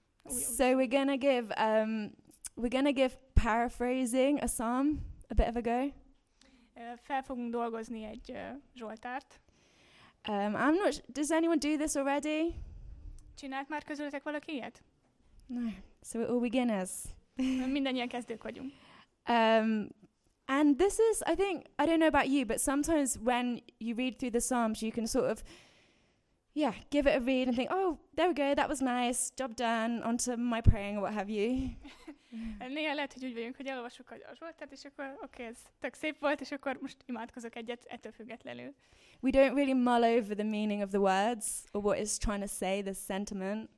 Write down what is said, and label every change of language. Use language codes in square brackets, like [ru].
[en] So we're gonna give paraphrasing a psalm a bit of a go. [hu] Fel fogunk dolgozni egy zsoltárt. [en] Does anyone do this already? [hu] Csinált már közületek valaki ilyet? [en] No, so we're all beginners. [hu] Mindannyian kezdők vagyunk. [en] And this is, I think, I don't know about you, but sometimes when you read through the Psalms, you can sort of, yeah, give it a read and think, oh, there we go, that was nice, job done, onto my praying or what have you. [hu] Néha lehet, hogy úgy vagyunk, hogy elolvasok a zsoltát, és akkor oké, ez tök szép volt, és akkor most imádkozok egyet, ettől függetlenül. [en] We don't really mull over the meaning of the words, or what it's trying to say, the sentiment.